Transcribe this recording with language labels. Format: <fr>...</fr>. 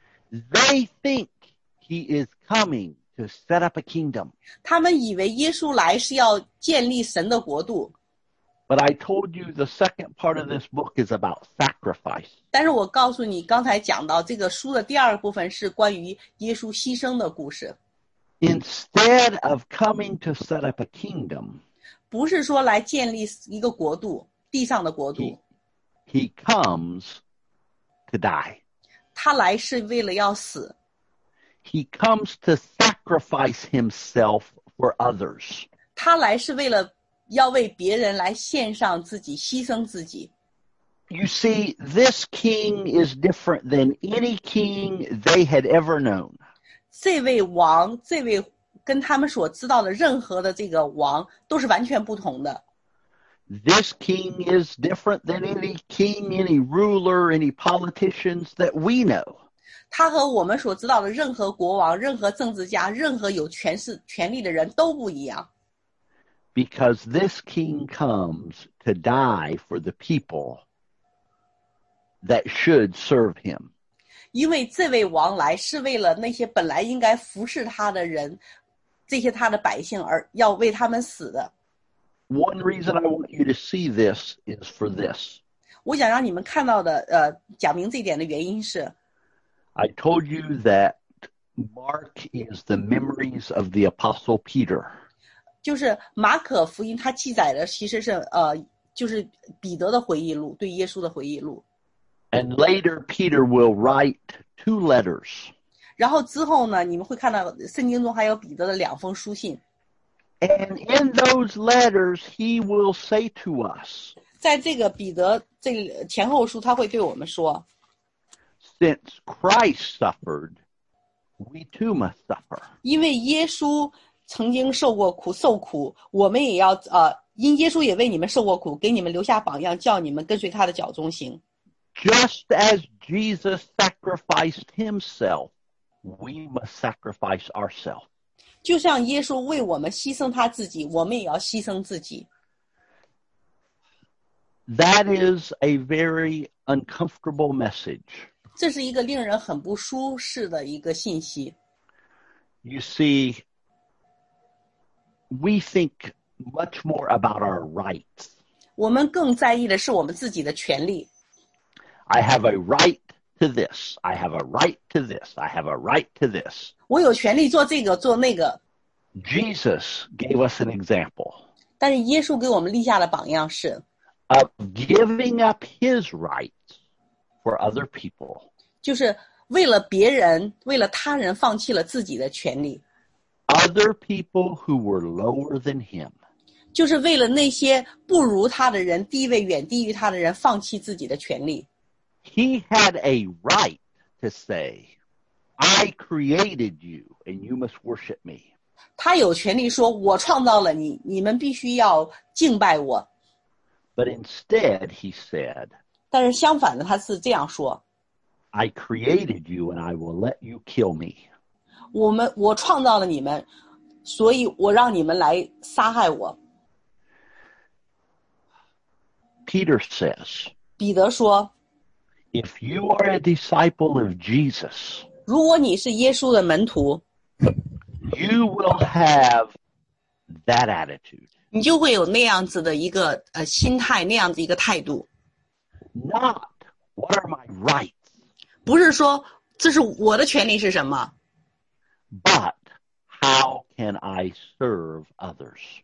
<en>They think he is coming to set up a kingdom.</en> <zh>他们以为耶稣来是要建立神的国度。</zh> <en>But I told you the second part of this book is about sacrifice.</en> <zh>但是我告诉你，刚才讲到这个书的第二部分是关于耶稣牺牲的故事。</zh> <en>Instead of coming to set up a kingdom,</en> <zh>不是说来建立一个国度，地上的国度。</zh> <en>He comes to die.</en> <zh>他来是为了要死。</zh> <en>He comes to sacrifice himself for others.</en> <zh>他来是为了要为别人来献上自己，牺牲自己。</zh> <en>You see, this king is different than any king they had ever known.</en> <zh>这位王，这位跟他们所知道的任何的这个王都是完全不同的。</zh> <en>This king is different than any king, any ruler, any politicians that we know.</en> <zh>他和我们所知道的任何国王、任何政治家、任何有权力的人都不一样。</zh> <en>Because this king comes to die for the people that should serve him.</en> <zh>因为这位王来是为了那些本来应该服侍他的人，这些他的百姓而要为他们死的。</zh> <en>One reason I want you to see this is for this.</en> <zh>我想让你们看到的，讲明这点的原因是。</zh> <en>I told you that Mark is the memories of the Apostle Peter.</en> <zh>就是马可福音它记载的其实是，就是彼得的回忆录，对耶稣的回忆录。</zh> <en>And later Peter will write two letters.</en> <zh>然后之后呢，你们会看到圣经中还有彼得的两封书信。</zh> <en>And in those letters, he will say to us,</en> <zh>在这个彼得这前后书他会对我们说，</zh> <en>Since Christ suffered, we too must suffer.</en> <zh>因为耶稣曾经受过苦，受苦，我们也要，因耶稣也为你们受过苦，给你们留下榜样，叫你们跟随他的脚中行。</zh> <en>Just as Jesus sacrificed himself, we must sacrifice ourselves.</en> <zh>就像耶稣为我们牺牲他自己，我们也要牺牲自己。</zh> <en>That is a very uncomfortable message.</en> <zh>这是一个令人很不舒适的一个信息。</zh> <en>You see, we think much more about our rights.</en> <zh>我们更在意的是我们自己的权利。</zh> <en>I have a right. To this, I have a right to this, I have a right to this.</en> <zh>我有权利做这个，做那个。</zh> <en>Jesus gave us an example.</en> <zh>但是耶稣给我们立下的榜样是</zh> <en>of giving up his rights for other people.</en> <zh>就是为了别人，为了他人放弃了自己的权利。</zh> <en>Other people who were lower than him.</en> <zh>就是为了那些不如他的人，地位远低于他的人，放弃自己的权利。</zh> <en>He had a right to say, I created you and you must worship me.</en> <zh>他有权利说我创造了你，你们必须要敬拜我。</zh> <en>But instead he said,</en> <zh>但是相反的他是这样说，</zh> <en>I created you and I will let you kill me.</en> <zh>我创造了你们，所以我让你们来杀害我。</zh> <en>Peter says,</en> <zh>彼得说，</zh> <en>If you are a disciple of Jesus,</en> <zh>如果你是耶稣的门徒，</zh> <en>you will have that attitude.</en> <zh>你就会有那样子的一个心态，那样子一个态度。</zh> <en>Not what are my rights?</en> <zh>不是说这是我的权利是什么，</zh> <en>but how can I serve others?</en>